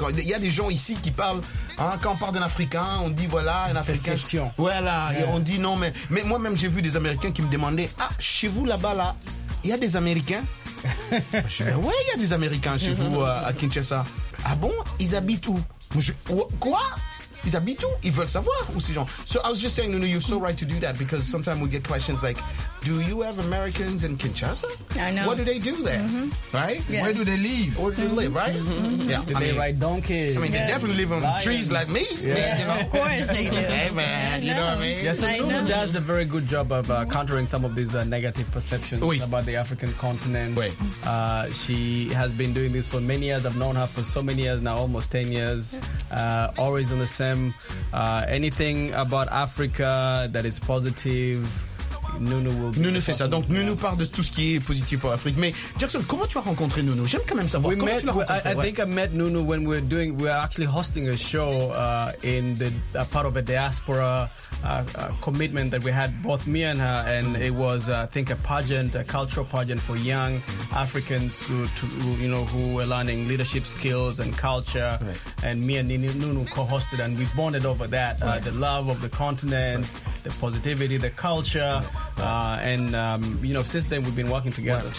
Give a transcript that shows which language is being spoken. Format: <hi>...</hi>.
<fr>Il y a des gens ici qui parlent, hein, quand on parle d'un Africain, on dit voilà, un Africain. Perception. Voilà, yeah. On dit non, mais moi-même, j'ai vu des Américains qui me demandaient, ah, chez vous là-bas, là, il y a des Américains? Ouais, il y a des Américains chez vous à Kinshasa. Ah bon? Ils habitent où? Quoi? Ils habitent où? Ils veulent savoir où ces gens.</fr> <en>So I was just saying, Nunu, you're so right to do that because sometimes we get questions like, do you have Americans in Kinshasa? I know. What do they do there? Mm-hmm. Right? Yes. Where do they live? Where do they live, right? Mm-hmm. Yeah. Do they ride donkeys? I mean, yes. They definitely live on lions. Trees like me. Yeah. Yeah. You know? Of course they do. Hey, man. You know what I mean? Yeah, so Nunu does a very good job of countering some of these negative perceptions about the African continent. Wait. She has been doing this for many years. I've known her for so many years now, almost 10 years. Always in the same. Anything about Africa that is positive, Nunu will be.</en> <fr>Nunu fait ça. Donc Nunu parle de tout ce qui est positif pour l'Afrique. Mais Jackson, comment tu as rencontré Nunu? J'aime quand même savoir comment tu l'as rencontré.</fr> <en>I think I met Nunu when we were actually hosting a show in the part of a diaspora commitment that we had, both me and her, and it was I think a pageant, a cultural pageant for young Africans who were learning leadership skills and culture, and me and Nunu co-hosted, and we bonded over that, the love of the continent, the positivity, the culture, and since then we've been working together.</en>